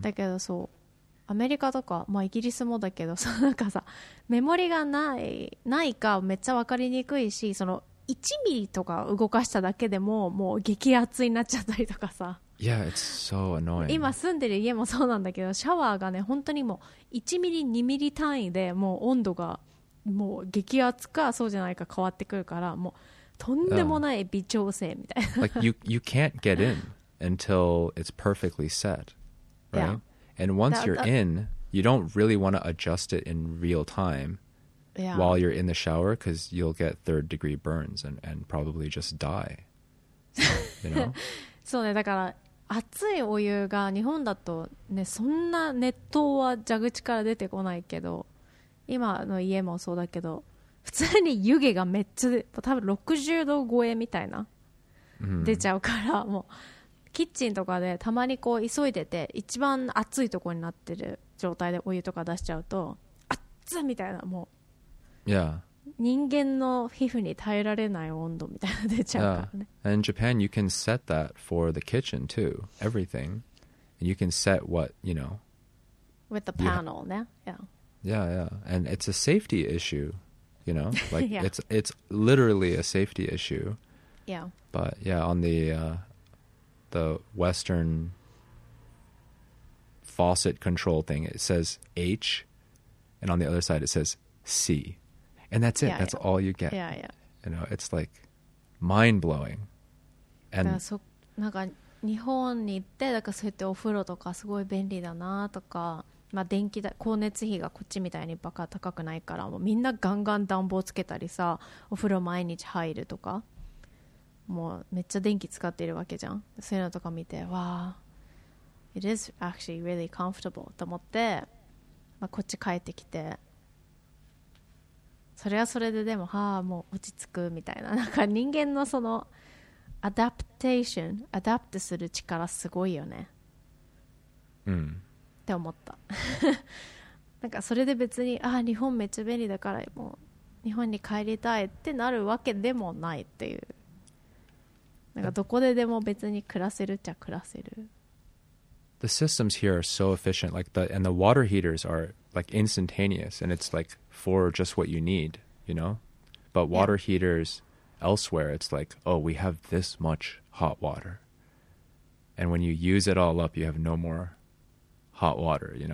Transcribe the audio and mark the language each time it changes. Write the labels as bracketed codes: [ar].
[ja] だけどそうアメリカとか、まあ、イギリスもだけどそのなんかさメモリがないかめっちゃ分かりにくいしその1ミリとか動かしただけでももう激熱になっちゃったりとかさ [en] Yeah, it's so annoying [ja] 今住んでる家もそうなんだけどシャワーがね本当にもう1ミリ2ミリ単位でもう温度がもう激熱かそうじゃないか変わってくるからもうとんでもない微調整みたいな、 [en] Like you can't get inUntil it's perfectly set, right? Yeah. And once you're in, you don't really want to adjust it in real time while you're in the shower because you'll get third degree burns and probably just die. You know? [ja] そうね、だから熱いお湯が日本だとね、そんな熱湯は蛇口から出てこないけど、今の家もそうだけど、普通に湯気がめっちゃ、多分60度超えみたいな、mm-hmm. 出ちゃうからもう、キッチンとかでたまにこう急いでて一番熱いところになってる状態でお湯とか出しちゃうと熱っみたいなもう、 [en] yeah. [ja] 人間の皮膚に耐えられない温度みたいな出ちゃうからね、yeah. [en] And in Japan you can set that for the kitchen too everything you can set what you know with the panel yeah. Yeah. yeah yeah and it's a safety issue you know like yeah. it's literally a safety issue yeah but yeah on the Western faucet control thing, it says H, and on the other side it says C, and that's it. Yeah, that's all you get. Yeah, yeah. You know, it's like mind blowing. [ja] And so, なんか日本に行ってだからそうやってお風呂とかすごい便利だなとか、まあ電気だ光熱費がこっちみたいにバカ高くないからもうみんなガンガン暖房つけたりさ、お風呂毎日入るとか。もうめっちゃ電気使っているわけじゃん。そういうのとか見て、わあ、 [en] it is actually really comfortable [ja] と思って、まあ、こっち帰ってきて、それはそれででも、はあ、もう落ち着くみたいな。なんか人間のそのアダプトする力すごいよね。うん。って思った。なんかそれで別に、ああ、日本めっちゃ便利だから、もう日本に帰りたいってなるわけでもないっていう。なんかどこででも別に暮らせるっちゃ暮らせる。 [en] The systems here are so efficient, like the water heaters are like instantaneous, and it's like for just what you need, you know. But water yeah. heaters elsewhere, it's like, oh, we have this much hot water, and when you use it all up, you have no more hot water, you know.